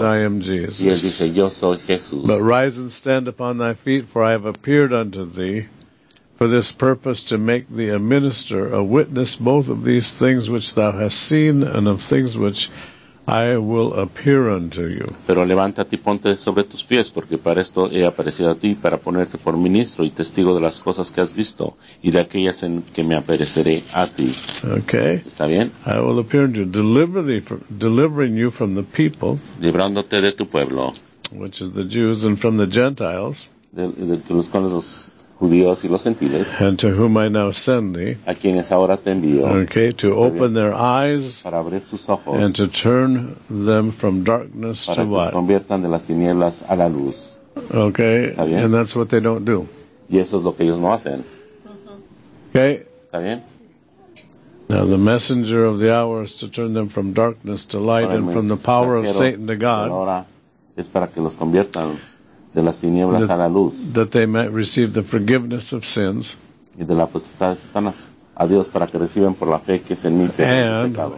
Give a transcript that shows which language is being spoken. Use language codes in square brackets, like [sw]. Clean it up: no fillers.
[en] Said, I am Jesus. [es] Y él dice, yo soy Jesús. [en] But rise and stand upon thy feet, for I have appeared unto thee. For this purpose, to make thee a minister, a witness both of these things which thou hast seen and of things which I will appear unto you. [es] Pero levántate y ponte sobre tus pies, porque para esto he aparecido a ti, para ponerte por ministro y testigo de las cosas que has visto y de aquellas en que me apareceré a ti. [en] Okay. [es] ¿Está bien? [en] I will appear unto you, delivering you from the people, [es] librándote de tu pueblo, [en] which is the Jews, and from the Gentiles, [es] de los cuales los judíos y los gentiles, [en] and to whom I now send thee, [es] a quienes ahora te envío, [en] okay, to open their eyes, [es] para abrir sus ojos, [en] and to turn them from darkness [es] para [en] to light, [es] para que se conviertan de las tinieblas a la luz, [en] okay, [es] está bien, [en] and that's what they don't do, [es] y eso es lo que ellos no hacen, [en] okay, [es] está bien. [en] Now the messenger of the hour is to turn them from darkness to light, [es] ahora [en] and from the power of Satan to God, [es] ahora es para que los conviertan de las tinieblas a la luz, [en] that they might receive the forgiveness of sins, [es] y de la potestad de Satanás a Dios para que reciban por la fe que es en mi pecado,